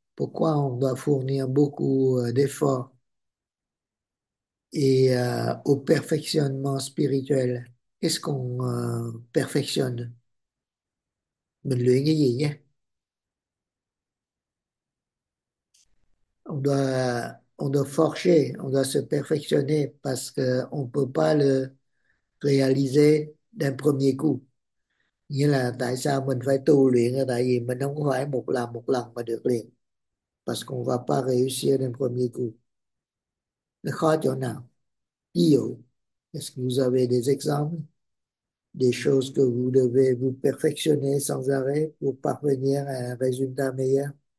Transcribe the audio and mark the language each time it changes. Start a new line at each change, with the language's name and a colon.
French: Pourquoi on doit fournir beaucoup d'efforts? Et au perfectionnement spirituel, qu'est-ce qu'on perfectionne?
Vietnamese: Mình luyện cái gì nhé?
French: On doit forger, on doit se perfectionner parce que on peut pas le réaliser d'un premier coup.
Vietnamese: Nghĩa là tại sao mình phải tu luyện là tại vì mình không phải một lần mà được liền.
French: Parce qu'on va pas réussir d'un premier coup.
Vietnamese: Nó khó chỗ nào? Ví dụ,
French: est-ce que vous avez des exemples, des choses que vous devez vous perfectionner sans arrêt pour parvenir à un résultat meilleur?